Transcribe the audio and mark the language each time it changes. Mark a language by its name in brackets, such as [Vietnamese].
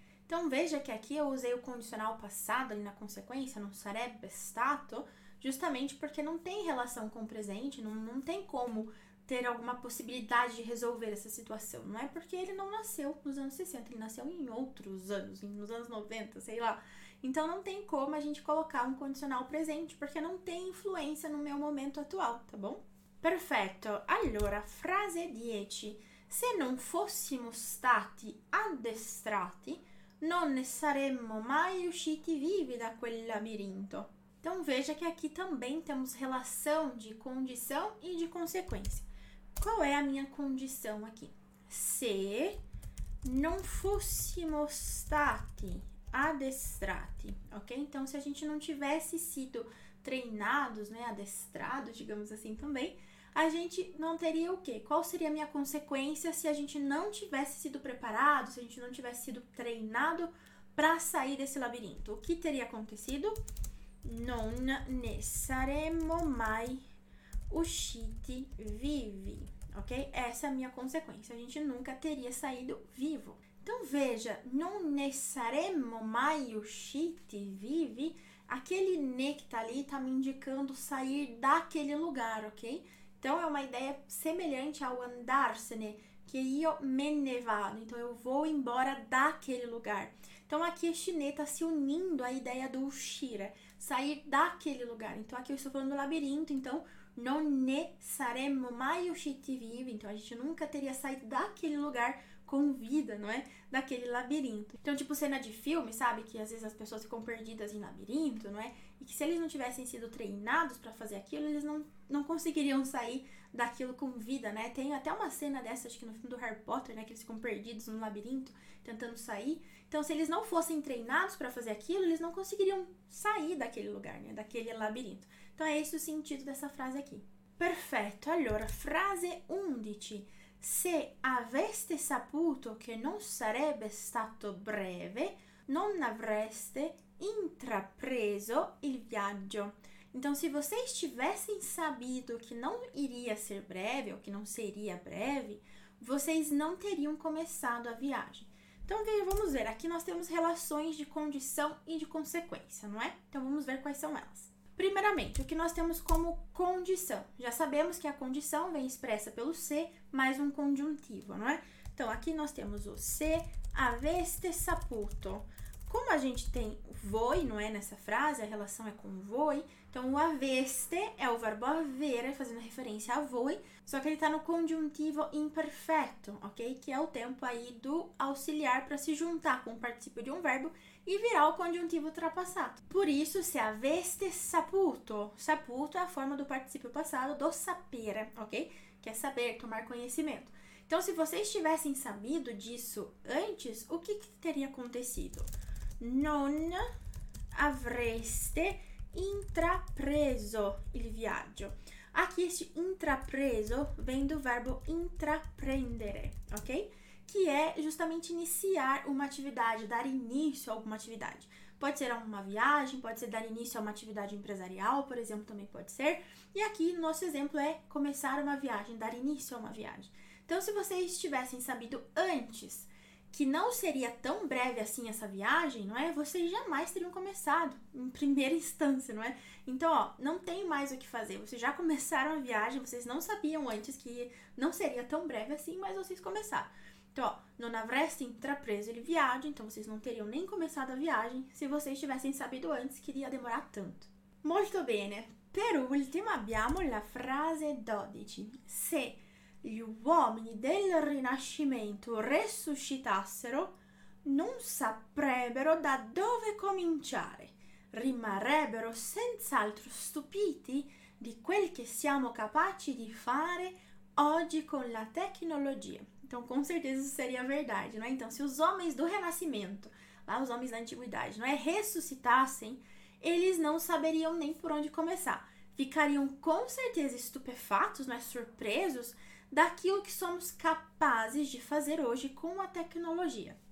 [Portuguese] Então, veja que aqui eu usei o condicional passado ali na consequência, [Italian] non sarebbe stato, [Portuguese] justamente porque não tem relação com o presente, não tem como ter alguma possibilidade de resolver essa situação, não é? Porque ele não nasceu nos anos 60, ele nasceu em outros anos, nos anos 90, sei lá. Então, não tem como a gente colocar um condicional presente, porque não tem influência no meu momento atual, tá bom? Perfeito. Allora, frase 10. [Italian] Se non fossimo stati addestrati, non ne saremmo mai usciti vivi da quel labirinto. [Portuguese] Então, veja que aqui também temos relação de condição e de consequência. Qual é a minha condição aqui? [Italian] Se non fossimo stati addestrati, ok? [Portuguese] Então, se a gente não tivesse sido treinados, né, adestrados, digamos assim também, a gente não teria o quê? Qual seria a minha consequência se a gente não tivesse sido preparado, se a gente não tivesse sido treinado para sair desse labirinto? O que teria acontecido? [Italian] Non ne saremmo mai usciti vivi, ok? [Portuguese] Essa é a minha consequência, a gente nunca teria saído vivo. Então veja, [Italian] non ne saremmo mai usciti vivi, [Portuguese] aquele ne que tá ali tá me indicando sair daquele lugar, ok? Então é uma ideia semelhante ao andarsene, que [Italian] io me ne vado, [Portuguese] então eu vou embora daquele lugar. Então aqui este ne tá se unindo à ideia do uscire, sair daquele lugar. Então aqui eu estou falando do labirinto, então [Italian] non ne saremmo mai usciti vivi, [Portuguese] então a gente nunca teria saído daquele lugar com vida, não é? Daquele labirinto. Então, tipo cena de filme, sabe? Que às vezes as pessoas ficam perdidas em labirinto, não é? E que se eles não tivessem sido treinados para fazer aquilo, eles não conseguiriam sair daquilo com vida, né? Tem até uma cena dessa, acho que no filme do Harry Potter, né? Que eles ficam perdidos no labirinto, tentando sair. Então, se eles não fossem treinados para fazer aquilo, eles não conseguiriam sair daquele lugar, né? Daquele labirinto. Então, é esse o sentido dessa frase aqui. Perfeito. Allora, frase 11. [Italian] Se aveste saputo che non sarebbe stato breve, non avreste intrapreso il viaggio. [Portuguese] Então, se vocês tivessem sabido que não iria ser breve, ou que não seria breve, vocês não teriam começado a viagem. Então, vamos ver. Aqui nós temos relações de condição e de consequência, não é? Então, vamos ver quais são elas. Primeiramente, o que nós temos como condição? Já sabemos que a condição vem expressa pelo se mais um conjuntivo, não é? Então, aqui nós temos o [Italian] se aveste saputo. [Portuguese] Como a gente tem voi, não é, nessa frase, a relação é com voi. Então, o aveste é o verbo haver, fazendo referência a voi. Só que ele está no conjuntivo imperfeito, ok? Que é o tempo aí do auxiliar para se juntar com o participio de um verbo e virar o conjuntivo ultrapassado. Por isso, [Italian] se aveste saputo. [Portuguese] Saputo é a forma do participio passado do sapere, ok? Que é saber, tomar conhecimento. Então, se vocês tivessem sabido disso antes, o que, que teria acontecido? [Italian] Non avreste intrapreso il viaggio. [Portuguese] Aqui este intrapreso vem do verbo intraprendere, ok? Que é justamente iniciar uma atividade, dar início a alguma atividade. Pode ser a uma viagem, pode ser dar início a uma atividade empresarial, por exemplo, também pode ser. E aqui nosso exemplo é começar uma viagem, dar início a uma viagem. Então, se vocês tivessem sabido antes que não seria tão breve assim essa viagem, não é? Vocês jamais teriam começado em primeira instância, não é? Então, ó, não tem mais o que fazer. Vocês já começaram a viagem, vocês não sabiam antes que não seria tão breve assim, mas vocês começaram. Então, ó, [Italian] non avreste intrapreso il viaggio, [Portuguese] então vocês não teriam nem começado a viagem se vocês tivessem sabido antes que iria demorar tanto. [Italian] Molto bene. Per ultimo abbiamo la frase 12. Se gli uomini del Rinascimento resuscitassero, non saprebbero da dove cominciare. Rimarrebbero senz'altro stupiti di quel che siamo capaci di fare oggi con la tecnologia. [Portuguese] Então, com certeza, isso seria verdade, não é? Então, se os homens do Renascimento, lá os homens da Antiguidade, não é, ressuscitassem, eles não saberiam nem por onde começar. Ficariam com certeza estupefatos, não é, surpresos daquilo que somos capazes de fazer hoje com a tecnologia.